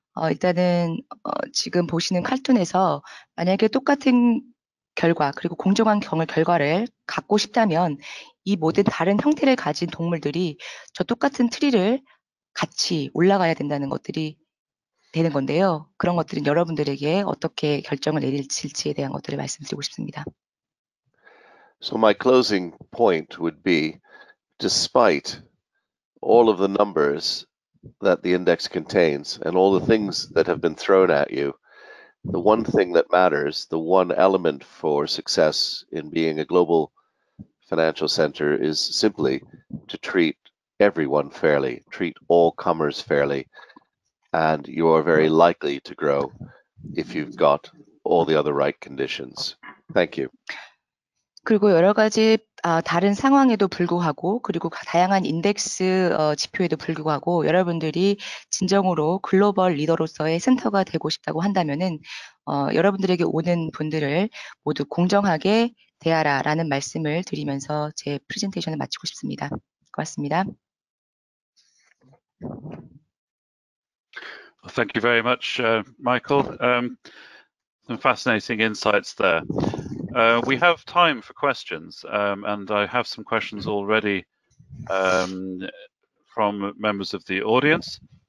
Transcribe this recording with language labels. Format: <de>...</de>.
<ko>일단은 지금 보시는 카툰에서 만약에 똑같은 결과 그리고 공정한 결과를 갖고 싶다면 이 모든 다른 형태를 가진 동물들이 저 똑같은 트리를 같이 올라가야 된다는 것들이 되는 건데요. 그런 것들은 여러분들에게 어떻게 결정을 내릴지에 대한 것들을 말씀드리고 싶습니다.</ko> <en>So my closing point would be, despite all of the numbers that the index contains and all the things that have been thrown at you, the one thing that matters, the one element for success in being a global financial center is simply to treat everyone fairly, treat all comers fairly, and you are very likely to grow if you've got all the other right conditions. Thank you.</en> <ko>그리고 여러 가지 다른 상황에도 불구하고 그리고 다양한 인덱스 지표에도 불구하고 여러분들이 진정으로 글로벌 리더로서의 센터가 되고 싶다고 한다면은 여러분들에게 오는 분들을 모두 공정하게 대하라라는 말씀을 드리면서 제 프레젠테이션을 마치고 싶습니다. 고맙습니다.</ko> <en>Well, thank you very much, Michael. Some fascinating insights there. We have time for questions, and I have some questions already from members of the audience.</en>